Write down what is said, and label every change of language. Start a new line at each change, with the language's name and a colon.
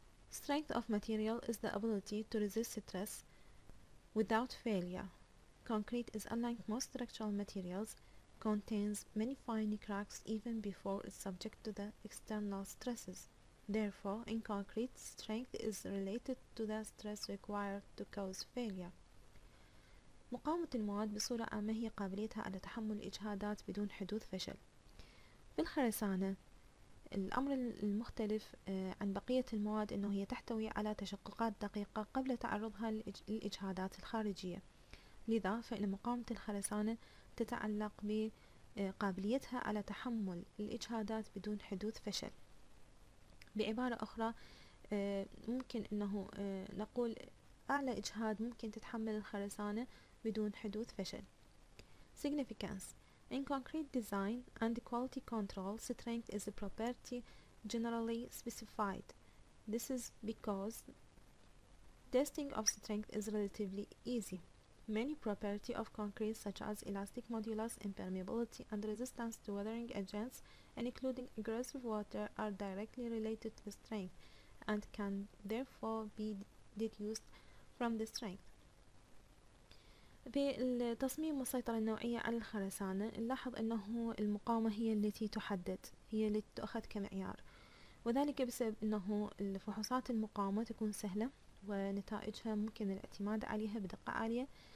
English: Strength of material is the ability to resist stress without failure. Concrete is unlike most structural materials, contains many fine cracks even before it's subject to the external stresses. Therefore, in concrete, strength is related to the stress required to cause failure.
Arabic: مقاومة المواد بصورة عامة هي قابليتها على تحمل الإجهادات بدون حدوث فشل. في الخرسانة الأمر المختلف عن بقية المواد أنه هي تحتوي على تشققات دقيقة قبل تعرضها للإجهادات الخارجية، لذا فإن مقاومة الخرسانة تتعلق بقابليتها على تحمل الإجهادات بدون حدوث فشل. بعبارة أخرى ممكن أنه نقول أعلى إجهاد ممكن تتحمل الخرسانة بدون حدوث فشل.
English: Significance: In concrete design and quality control, strength is a property generally specified. This is because testing of strength is relatively easy. Many properties of concrete, such as elastic modulus, impermeability, and resistance to weathering agents, including aggressive water, are directly related to strength and can therefore be deduced from the strength.
Arabic: بالتصميم والسيطرة النوعية على الخرسانة نلاحظ أنه المقاومة هي التي تحدد، هي التي تأخذ كمعيار، وذلك بسبب أنه الفحوصات المقاومة تكون سهلة ونتائجها ممكن الاعتماد عليها بدقة عالية.